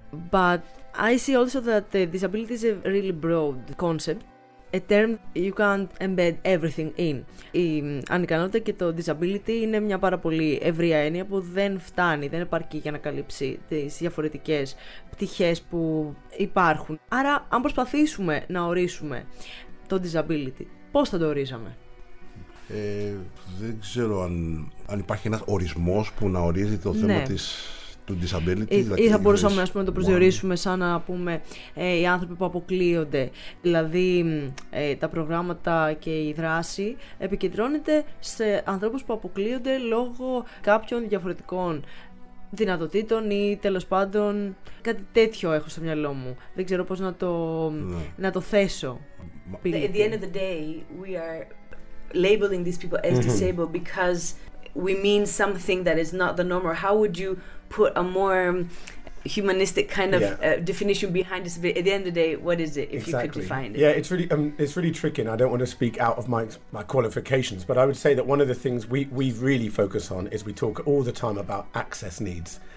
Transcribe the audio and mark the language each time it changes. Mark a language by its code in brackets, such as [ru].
[en] But I see also that disability is a really broad concept. A term you can't embed everything in. [el] Η ανικανότητα και το disability είναι μια πάρα πολύ ευρία έννοια που δεν φτάνει, δεν επαρκεί για να καλύψει τις διαφορετικές πτυχές που υπάρχουν. Άρα, αν προσπαθήσουμε να ορίσουμε το disability, πώς θα το ορίζαμε? Δεν ξέρω αν υπάρχει ένας ορισμός που να ορίζει το θέμα της... [en] disability, [el] ή θα μπορούσαμε να το προσδιορίσουμε σαν να πούμε οι άνθρωποι που αποκλείονται. Δηλαδή τα προγράμματα και η δράση επικεντρώνεται σε ανθρώπους που αποκλείονται λόγω κάποιων διαφορετικών δυνατοτήτων ή τέλος πάντων κάτι τέτοιο έχω στο μυαλό μου. Δεν ξέρω πώς να το, να το θέσω. [en] At the end of the day we are labeling these people as disabled because we mean something that is not the norm. Or how would you put a more humanistic kind of definition behind this? At the end of the day, what is it, if exactly. you could define it? Yeah, it's really tricky, and I don't want to speak out of my qualifications, but I would say that one of the things we really focus on is we talk all the time about access needs.